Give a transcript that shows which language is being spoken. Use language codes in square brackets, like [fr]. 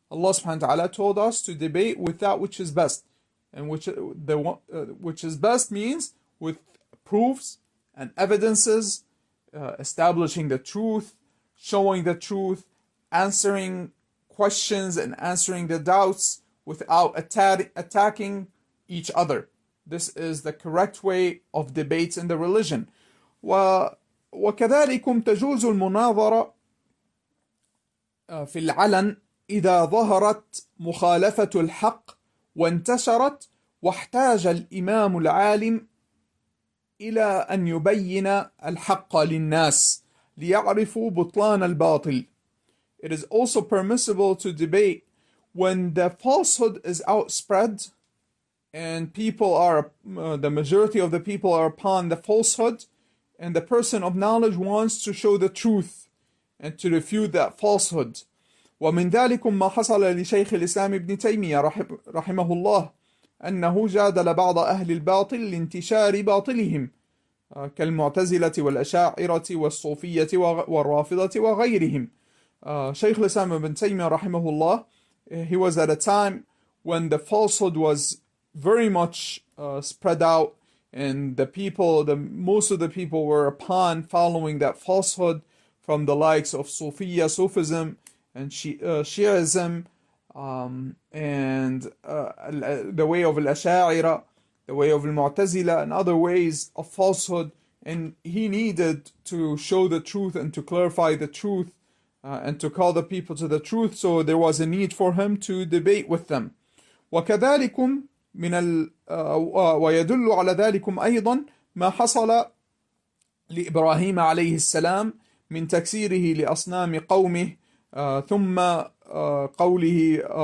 [en] Allah subhanahu wa ta'ala told us to debate with that which is best, and which is best means with proofs and evidences, establishing the truth, showing the truth, answering questions and answering the doubts without attacking each other. This is the correct way of debates in the religion. [ar] وكذلكم تجوز المناظرة في العلن إذا ظهرت مخالفة الحق وانتشرت واحتاج الإمام العالم إلى أن يبين الحق للناس ليعرفوا بطلان الباطل. [en] It is also permissible to debate when the falsehood is outspread and people are the majority of the people are upon the falsehood, and the person of knowledge wants to show the truth and to refute that falsehood. [ar] ومن ذلكم ما حصل لشيخ الإسلام ابن تيمية رحمه الله أنه جادل بعض أهل الباطل لانتشار باطلهم كالمعتزلة والأشاعرة والصوفية والرافضة وغيرهم. [en] شيخ الإسلام ابن تيمية رحمه الله, he was at a time when the falsehood was very much spread out, and most of the people were upon following that falsehood from the likes of Sufiya, Sufism, and Shiism, and the way of Al-Asha'ira, the way of Al-Mu'tazila, and other ways of falsehood. And he needed to show the truth and to clarify the truth and to call the people to the truth. So there was a need for him to debate with them. [ar] وكذلكم من ال ويدل على ذلكم أيضا ما حصل لإبراهيم عليه السلام من تكسيره لأصنام قومه ثم قوله